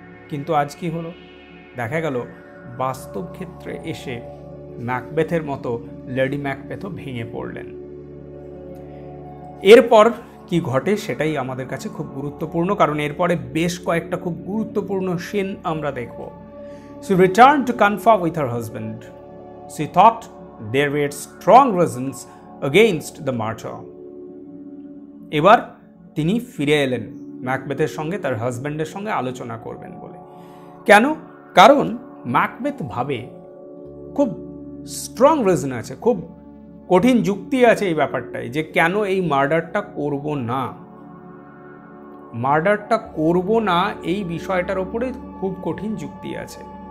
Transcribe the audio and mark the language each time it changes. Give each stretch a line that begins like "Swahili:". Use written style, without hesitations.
Bangla: কিন্তু আজ কি হলো, দেখা গেল বাস্তব ক্ষেত্রে এসে ম্যাকবেথের মতো লেডি ম্যাকবেথও ভেঙে পড়লেন। এরপর কি ঘটে সেটাই আমাদের কাছে খুব গুরুত্বপূর্ণ, কারণ এরপরে বেশ কয়েকটা খুব গুরুত্বপূর্ণ সিন আমরা দেখব।
English: She returned to confer with her husband. She thought there were strong reasons against the martyr.
Bangla: এবার তিনি ফিরে এলেন ম্যাকবেথের সঙ্গে, তার হাজবেন্ডের সঙ্গে আলোচনা করবেন বলে। কেন, কারণ ম্যাকবেথ ভাবে খুব স্ট্রং রিজন আছে, খুব কঠিন যুক্তি আছে এই ব্যাপারটায় যে কেন এই মার্ডারটা করব না, মার্ডারটা করব না এই বিষয়টার উপরে খুব কঠিন যুক্তি আছে।